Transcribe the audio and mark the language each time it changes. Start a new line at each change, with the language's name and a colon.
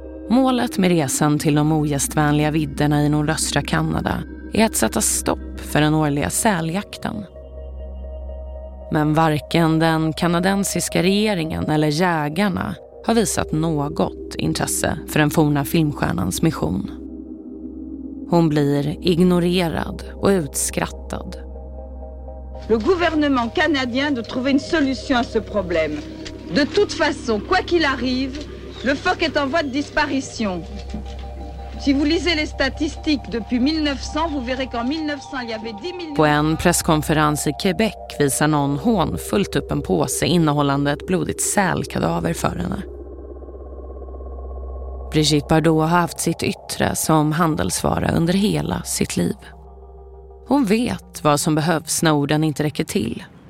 Swedish: Målet med resan till de ogästvänliga vidderna i nordöstra Kanada är att sätta stopp för den årliga säljakten. Men varken den kanadensiska regeringen eller jägarna har visat något intresse för den forna filmstjärnans mission. Hon blir ignorerad och utskrattad.
French: Le gouvernement canadien doit trouver une solution à ce problème. De toute façon, quoi qu'il arrive, le phoque est en voie de disparition. Si vous lisez les statistiques depuis 1900, vous verrez qu'en 1900, il y avait 10 000...
Swedish: På en presskonferens i Quebec visar någon hånfullt upp en påse innehållande ett blodigt sälkadaver för henne. Brigitte Bardot har haft sitt yttre som handelsvara under hela sitt liv. Hon vet vad som behövs när orden inte räcker till.